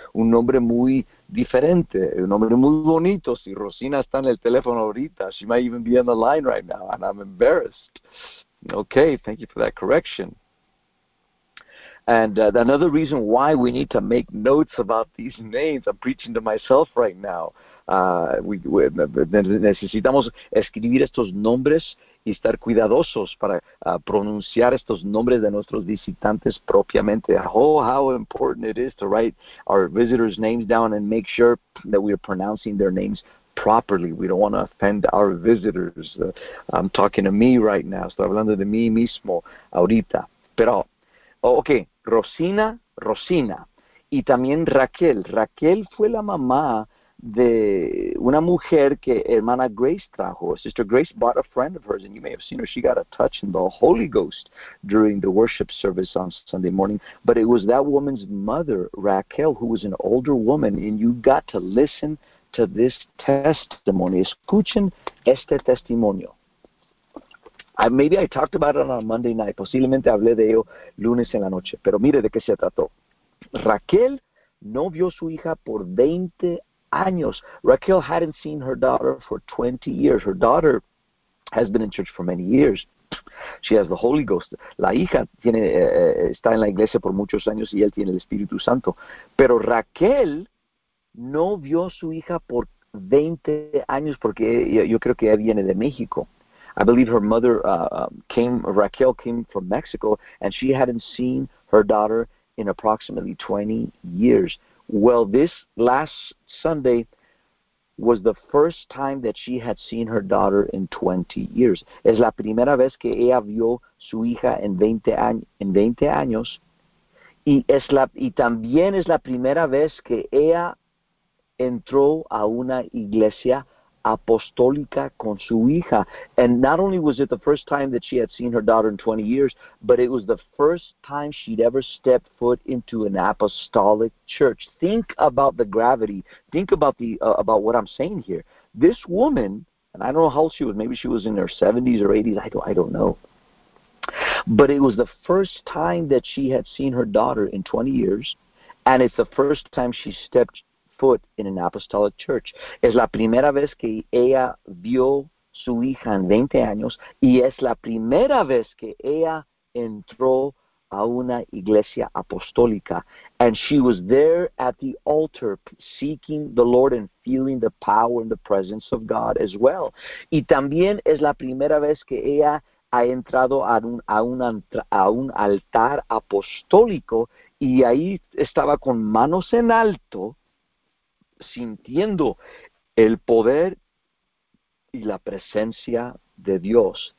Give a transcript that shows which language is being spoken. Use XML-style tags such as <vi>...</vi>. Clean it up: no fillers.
<es>Un nombre muy diferente. Un nombre muy bonito. Si Rocina está en el teléfono ahorita,</es> <en>she might even be on the line right now, and I'm embarrassed. Okay, thank you for that correction. And another reason why we need to make notes about these names, I'm preaching to myself right now.</en> <es>Necesitamos escribir estos nombres y estar cuidadosos para pronunciar estos nombres de nuestros visitantes propiamente.</es> <en>Oh, how important it is to write our visitors' names down and make sure that we are pronouncing their names properly. We don't want to offend our visitors. I'm talking to me right now.</en> <es>Estoy hablando de mí mismo ahorita. Pero, okay, Rosina, y también Raquel. Raquel fue la mamá de una mujer que hermana Grace trajo.</es> <en>Sister Grace brought a friend of hers, and you may have seen her. She got a touch in the Holy Ghost during the worship service on Sunday morning. But it was that woman's mother, Raquel, who was an older woman, and you got to listen to this testimony.</en> <es>Escuchen este testimonio.</es> <en>Maybe I talked about it on a Monday night.</en> <es>Posiblemente hablé de ello lunes en la noche. Pero mire de qué se trató. Raquel no vio su hija por 20 años.</es> <en>Raquel hadn't seen her daughter for 20 years. Her daughter has been in church for many years. She has the Holy Ghost.</en> <es>La hija tiene, está en la iglesia por muchos años y él tiene el Espíritu Santo. Pero Raquel no vio su hija por 20 años porque yo creo que ella viene de México.</es> <en>I believe her mother Raquel came from Mexico, and she hadn't seen her daughter in approximately 20 years. Well, this last Sunday was the first time that she had seen her daughter in 20 years.</en> <es>Es la primera vez que ella vio su hija en 20 años, y también es la primera vez que ella entró a una iglesia apostólica con su hija.</es> <en>And not only was it the first time that she had seen her daughter in 20 years, but it was the first time she'd ever stepped foot into an apostolic church. Think about the gravity. Think about the about what I'm saying here. This woman, and I don't know how old she was, maybe she was in her 70s or 80s, I don't know. But it was the first time that she had seen her daughter in 20 years, and it's the first time she stepped foot in an apostolic church.</en> <es>Es la primera vez que ella vio su hija en 20 años y es la primera vez que ella entró a una iglesia apostólica.</es> <en>And she was there at the altar seeking the Lord and feeling the power and the presence of God as well.</en> <es>Y también es la primera vez que ella ha entrado a un altar apostólico y ahí estaba con manos en alto sintiendo el poder y la presencia de Dios.</es>